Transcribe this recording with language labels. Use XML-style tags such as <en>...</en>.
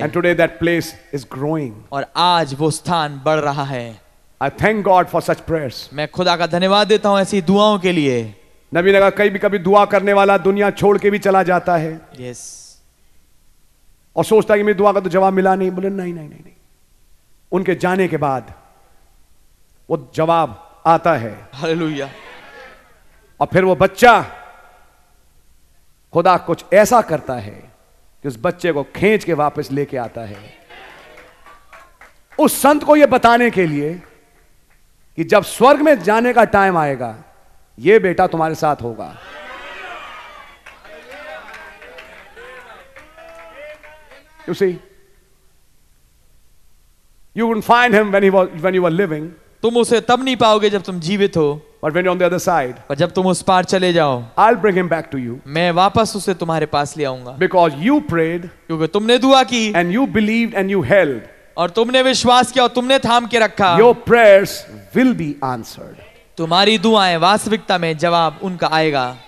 <en>And today that place is growing.</en> <hi>और आज वो स्थान बढ़ रहा है.</hi> <en>I thank God for such prayers.</en> <hi>मैं खुदा का धन्यवाद देता हूँ ऐसी दुआओं के लिए. नबी ने कहा कई भी कभी दुआ करने वाला दुनिया छोड़ के भी चला जाता है.</hi> <en>Yes.</en> <hi>और सोचता है कि मेरी दुआ का तो जवाब मिला नहीं. बोले नहीं नहीं नहीं नहीं. उनके जाने के बाद वो जवाब आता है. हालेलुया. और फिर वो बच्चा, खुदा कुछ ऐसा करता है कि उस बच्चे को खींच के वापस लेके आता है उस संत को यह बताने के लिए कि जब स्वर्ग में जाने का टाइम आएगा यह बेटा तुम्हारे साथ होगा.</hi> <en>You see, you would find him when you were living.</en> <hi>तुम उसे तब नहीं पाओगे जब तुम जीवित हो.</hi> <en>But when you're on the other side,</en> <hi>पर जब तुम उस पार चले जाओ,</hi> <en>I'll bring him back to you.</en> <hi>मैं वापस उसे तुम्हारे पास ले आऊंगा.</hi> <en>Because you prayed,</en> <hi>क्योंकि तुमने दुआ की,</hi> <en>and you believed and you held,</en> <hi>और तुमने विश्वास किया और तुमने थाम के रखा.</hi> <en>Your prayers will be answered.</en> <hi>तुम्हारी दुआएं वास्तविकता में जवाब उनका आएगा.</hi>